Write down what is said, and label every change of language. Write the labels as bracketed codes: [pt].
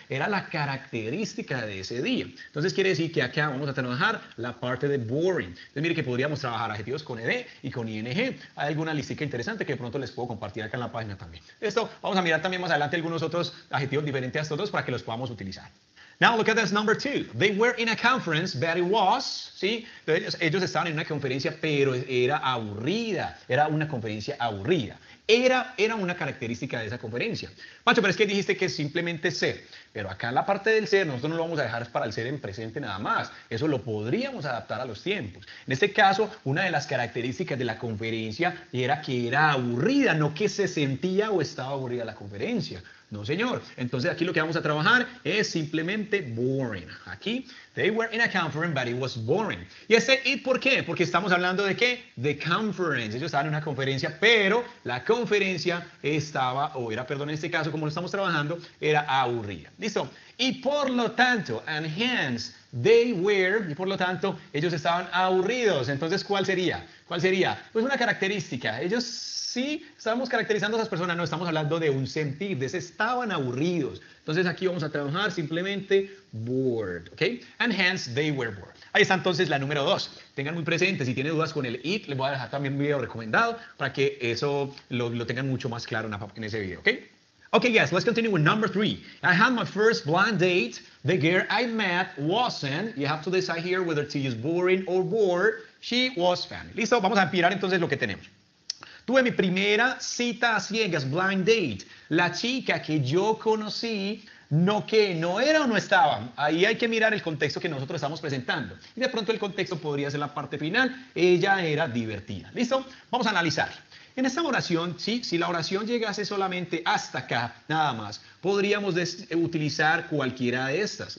[es] Era la característica de ese día. Entonces quiere decir que acá vamos a trabajar la parte de boring. Entonces mire que podríamos trabajar adjetivos con ed y con ing. Hay alguna listica interesante que de pronto les puedo compartir acá en la página también. Esto, vamos a mirar también más adelante algunos otros adjetivos diferentes a estos dos para que los podamos utilizar. [en] Now look at this number two. They were in a conference, but it was, [es] ¿sí? Entonces, ellos estaban en una conferencia, pero era aburrida. Era una conferencia aburrida. Era una característica de esa conferencia. Pacho, pero es que dijiste que simplemente ser. Pero acá en la parte del ser, nosotros no lo vamos a dejar para el ser en presente nada más. Eso lo podríamos adaptar a los tiempos. En este caso, una de las características de la conferencia era que era aburrida, no que se sentía o estaba aburrida la conferencia. No, señor. Entonces, aquí lo que vamos a trabajar es simplemente boring. Aquí, [en] they were in a conference, but it was boring. [es] ¿Y ese it por qué? Porque estamos hablando de qué? [en] The conference. [es] Ellos estaban en una conferencia, pero la conferencia estaba, o era, perdón, en este caso, como lo estamos trabajando, era aburrida. ¿Listo? Y por lo tanto, [en] and hence, [es] they were, y por lo tanto, ellos estaban aburridos. Entonces, ¿cuál sería? ¿Cuál sería? Pues una característica. Ellos... Sí, estamos caracterizando a esas personas, no estamos hablando de un sentir, de ese estaban aburridos. Entonces aquí vamos a trabajar simplemente bored, ¿ok? [en] And hence they were bored. [es] Ahí está entonces la número dos. Tengan muy presente, si tienen dudas con el it, les voy a dejar también un video recomendado para que eso lo tengan mucho más claro en ese video, ¿ok? [en] Ok, yes, let's continue with number three. I had my first blind date. The girl I met wasn't, you have to decide here whether to use boring or bored, she was family. [es] Listo, vamos a empirar entonces lo que tenemos. Tuve mi primera cita a ciegas, [en] blind date. [es] La chica que yo conocí, no que no era o no estaba. Ahí hay que mirar el contexto que nosotros estamos presentando. Y de pronto el contexto podría ser la parte final. Ella era divertida. ¿Listo? Vamos a analizar. En esta oración, sí, si la oración llegase solamente hasta acá, nada más, podríamos utilizar cualquiera de estas.